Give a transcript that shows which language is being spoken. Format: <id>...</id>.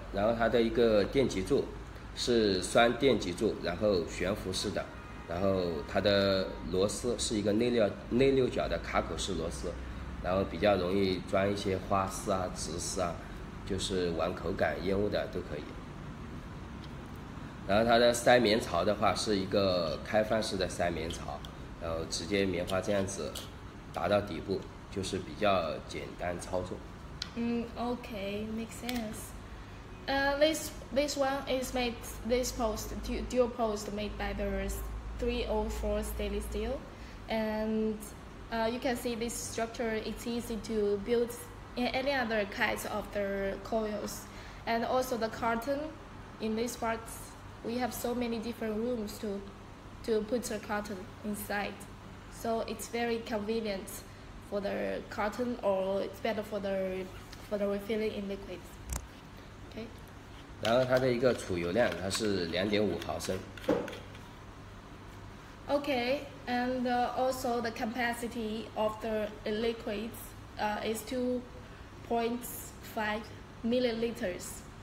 <zh>然后它的一个电极柱是双电极柱，然后悬浮式的，然后它的螺丝是一个内六角的卡口式螺丝，然后比较容易装一些花丝啊、直丝啊，就是玩口感烟雾的都可以。然后它的塞棉槽的话是一个开放式的塞棉槽，然后直接棉花这样子打到底部，就是比较简单操作。</zh> <en>Okay, makes sense. This one is made, this post, dual post made by the 304 stainless steel. And you can see this structure, it's easy to build in any other kinds of the coils. And also the carton in this part. We have so many different rooms to put the carton inside. So it's very convenient for the carton, or it's better for the refilling in liquids. Okay.</en> <zh>然后它的一个储油量它是2.5毫升。</zh> <en>Okay, and also the capacity of the liquids is 2.5 milliliters.</en>